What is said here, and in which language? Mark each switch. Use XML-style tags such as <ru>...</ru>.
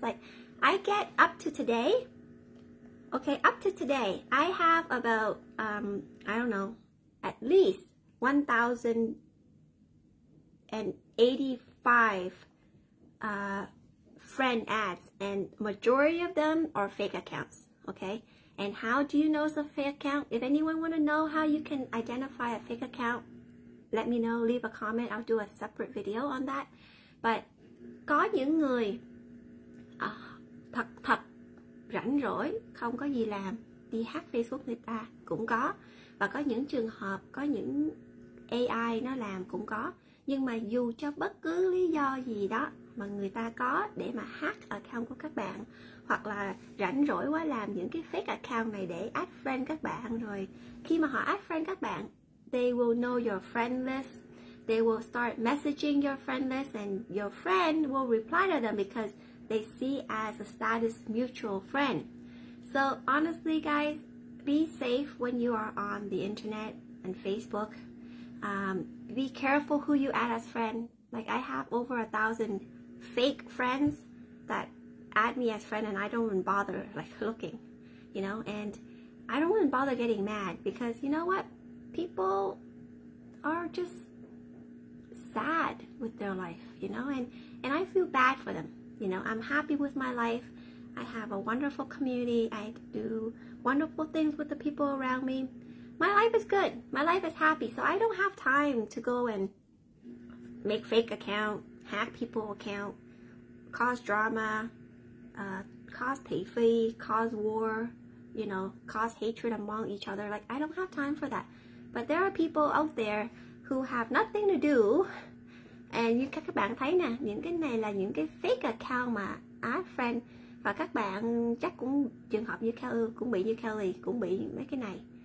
<en>Like, I get up to today, okay, up to today, I have about, I don't know, at least 1,085 friend ads, and majority of them are fake accounts, okay? And how do you know it's a fake account? If anyone want to know how you can identify a fake account, let me know, leave a comment, I'll do a separate video on that.</en> <vi>But có những người thật thật rảnh rỗi, không có gì làm, đi hack Facebook người ta cũng có. Và có những trường hợp, có những AI nó làm cũng có. Nhưng mà dù cho bất cứ lý do gì đó mà người ta có để mà hack account của các bạn, hoặc là rảnh rỗi quá làm những cái fake account này để add friend các bạn, rồi khi mà họ add friend các bạn,</vi> <en>they will know your friend list, they will start messaging your friend list, and your friend will reply to them because they see as a status mutual friend. So honestly guys, be safe when you are on the internet and Facebook. Be careful who you add as friend. Like, I have over 1,000 fake friends that add me as friend and I don't even bother like looking, you know, and I don't even bother getting mad because you know what? People are just sad with their life, you know, and I feel bad for them. You know, I'm happy with my life. I have a wonderful community. I do wonderful things with the people around me. My life is good. My life is happy. So I don't have time to go and make fake account, hack people's account, cause drama, cause tayfei, cause war, you know, cause hatred among each other. Like, I don't have time for that. But there are people out there who have nothing to do.</en> <vi>And như các bạn thấy nè, những cái này là những cái fake account mà add friend. Và các bạn chắc cũng trường hợp như Kelly, cũng bị như Kelly, cũng bị mấy cái này.</vi>